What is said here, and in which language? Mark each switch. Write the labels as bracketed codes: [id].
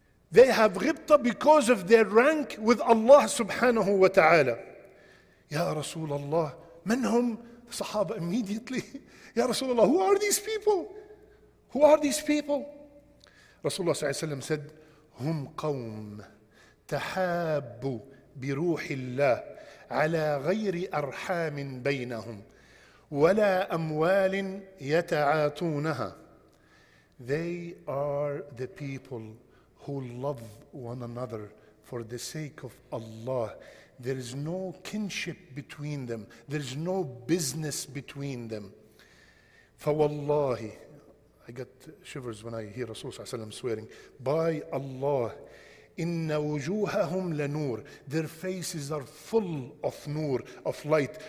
[en] They have ghibta because of their rank with Allah subhanahu wa ta'ala. [ar] Ya Rasulullah, manhum? [en] The sahaba immediately, Ya Rasulullah, who are these people? Who are these people? [ar] Rasulullah sallallahu alayhi wa sallam said, hum qawm تحابوا بروح الله على غير أرحام بينهم ولا أموال يتعاطونها. [en] They are the people who love one another for the sake of Allah. There is no kinship between them. There is no business between them. فوالله, I get shivers when I hear Rasul صلى الله عليه وسلم swearing, by Allah, [ar] إِنَّ وُجُوهَهُمْ لَنُورِ, [en] their faces are full of nur, of light.